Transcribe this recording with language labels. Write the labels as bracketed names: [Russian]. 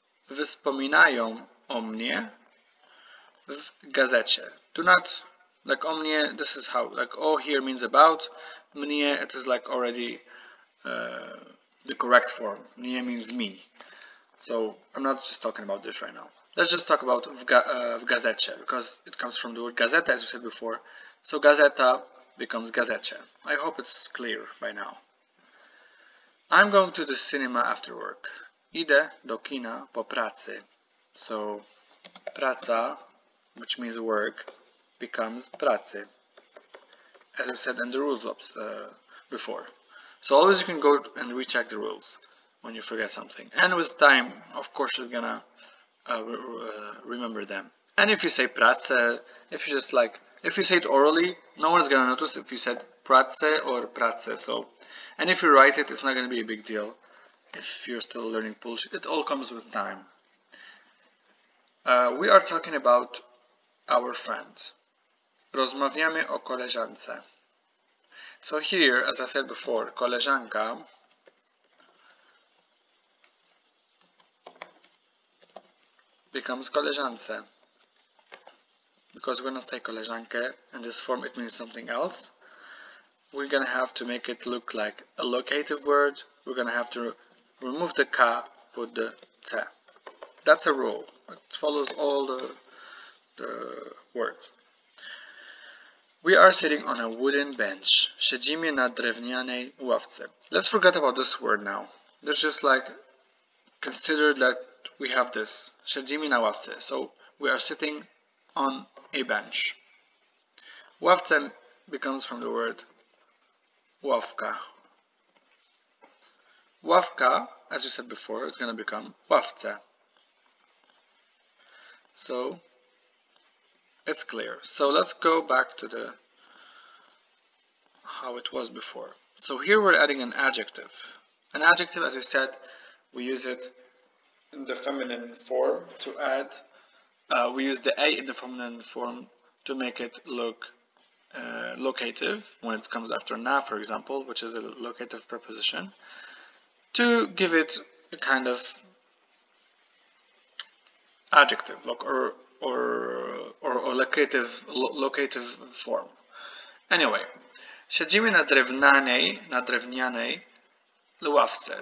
[Polish] Wspominają o mnie w gazecie. [English] Do not, like, [Polish] o mnie, [English] this is how, like, o here means about, mnie, it is like already the correct form. Mnie means me. So I'm not just talking about this right now. Let's just talk about [Polish] w gazecie, [English] because it comes from the word gazeta, as we said before. So gazeta becomes gazecie. I hope it's clear by now. I'm going to the cinema after work. [Polish] Idę do kina po pracy. [English] So praca, which means work, becomes pracy, as we said in the rules before. So always you can go and recheck the rules when you forget something. And with time, of course, you're gonna remember them. And if you say pracę, if you just like, if you say it orally, no one's gonna notice if you said pracę or pracę. So, and if you write it, it's not gonna be a big deal. If you're still learning Polish, it all comes with time. We are talking about our friend. [Polish] Rozmawiamy o koleżance. [English] So here, as I said before, koleżanka becomes koleżance, because we're not saying koleżankę in this form, it means something else. We're gonna have to make it look like a locative word. We're gonna have to remove the ka, put the te. That's a rule. It follows all the words. We are sitting on a wooden bench. [Polish] Siedzimy na drewnianej ławce. [English] Let's forget about this word now. Let's just like consider that we have this. [Polish] Siedzimy na ławce. [English] So we are sitting on a bench. Ławce becomes from the word ławka. Ławka, as we said before, is going to become ławce. So it's clear. So let's go back to the how it was before. So here we're adding an adjective. An adjective, as we said, we use it in the feminine form to add, we use the A in the feminine form to make it look locative when it comes after na, for example, which is a locative preposition, to give it a kind of adjective or locative form. [Polish] Anyway, siedzimy na drewnianej ławce.